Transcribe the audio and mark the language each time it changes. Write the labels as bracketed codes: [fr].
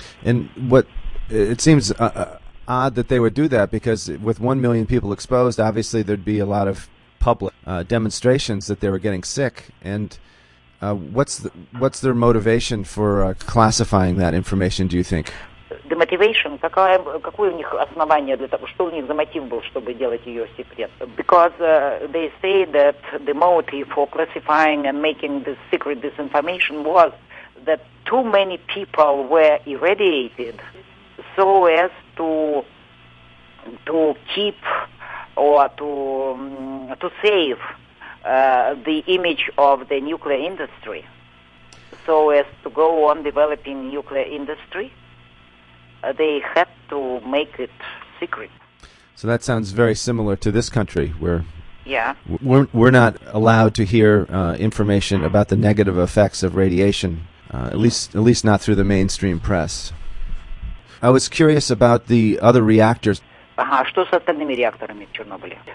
[en] And what, it seems odd that they would do that, because with 1 million people exposed, obviously there'd be a lot of public demonstrations that they were getting sick. And what's their motivation for classifying that information, do you think? The motivation, [ru] какое у них основание для того, что у них за мотив был, чтобы делать ее секрет? [en] Because they say that the motive for classifying and making this secret, this information, was that too many people were irradiated so as to keep or to save the image of the nuclear industry, so as to go on developing nuclear industry. They had to make it secret. So that sounds very similar to this country, where we're not allowed to hear information about the negative effects of radiation, at least not through the mainstream press. I was curious about the other reactors. [ru] Что с остальными реакторами в Чернобыле?